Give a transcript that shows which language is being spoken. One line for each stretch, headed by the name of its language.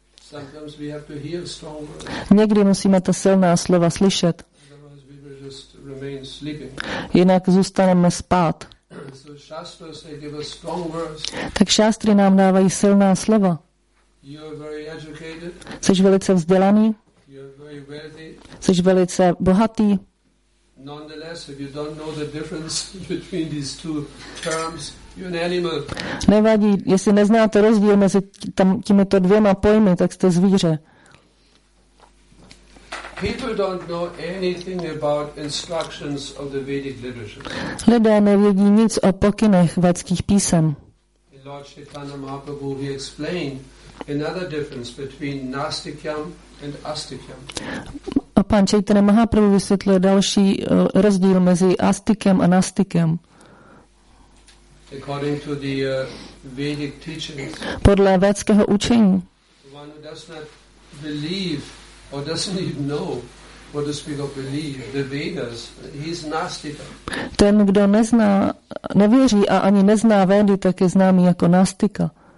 English: Sometimes we have to hear strong words.
Czech: Někdy musíme ta silná slova slyšet.
English: Otherwise we will just remain sleeping.
Czech: Jinak zůstaneme spát.
English: So shastras, they give us strong words.
Czech: Tak šástry nám dávají silná slova.
English: You're very educated.
Czech: Jseš velice vzdělaný.
English: You're very wealthy.
Czech: Jseš velice bohatý.
English: Nonetheless, if you don't know the difference between these two terms, you're an animal.
Czech: Nevadí, jestli neznáte rozdíl mezi těmito dvěma pojmy, tak jste zvíře.
English: People don't know anything about instructions of the Vedic literature.
Czech: Lidé nevědí nic o pokynech vedských písem.
English: Lord Chaitanya Mahaprabhu, he explained another difference between nastikyam and astikyam.
Czech: A pan Chaitanya Mahaprabhu vysvětluje další rozdíl mezi astikem a nastikem.
English: According to the Vedic teachings.
Czech: Podle védského učení.
English: One who does not believe or doesn't even know what to speak of belief, the Vedas, he's nastika.
Czech: Ten, kdo nezná, nevěří a ani nezná Védy, tak je známý jako nastika.